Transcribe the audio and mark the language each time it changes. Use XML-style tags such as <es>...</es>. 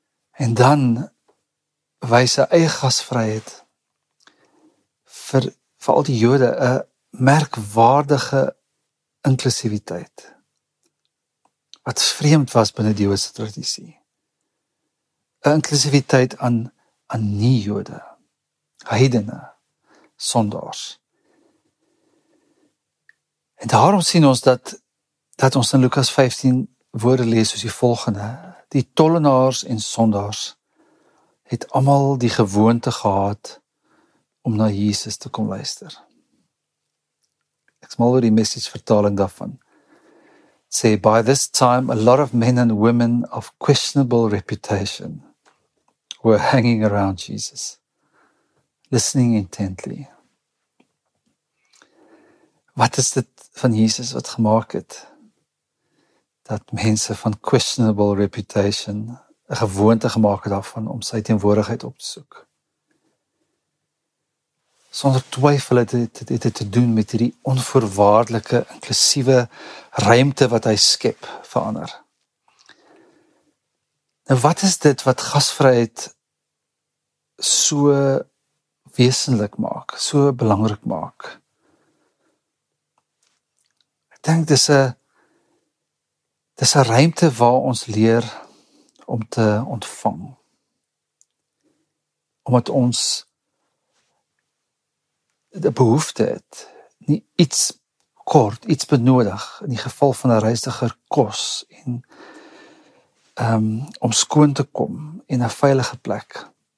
<af>En dan wys hy eie gasvryheid vir al die Jode 'n merkwaardige inklusiwiteit wat vreemd was binne die Joodse tradisie. Inklusiwiteit aan nie-Jode, heidene, sondaars. En daarom sien ons dat ons in Lukas 15 woorde lees soos die volgende: die tollenaars en sondaars het almal die gewoonte gehad om na Jesus te kom luister. Ek smal oor die message vertaling daarvan.</af> <en>It sê, by this time, a lot of men and women of questionable reputation were hanging around Jesus, listening intently.</en> <af>Wat is dit van Jesus wat gemaak het, dat mense van</af> <en>questionable reputation</en> <af>een gewoonte gemaak het daarvan om sy teenwoordigheid op te soek? Sonder twyfel het dit te doen met die onvoorwaardelike, inklusiewe ruimte wat hy skep vir ander. Nou wat is dit wat gasvryheid so wesenlik maak, so belangrik maak? Ek dink dis een ruimte waar ons leer om te ontvang. Omdat ons die behoefte het, nie iets kort, iets benodig, in die geval van 'n reisiger kos, en om skoon te kom, en 'n veilige plek.</af>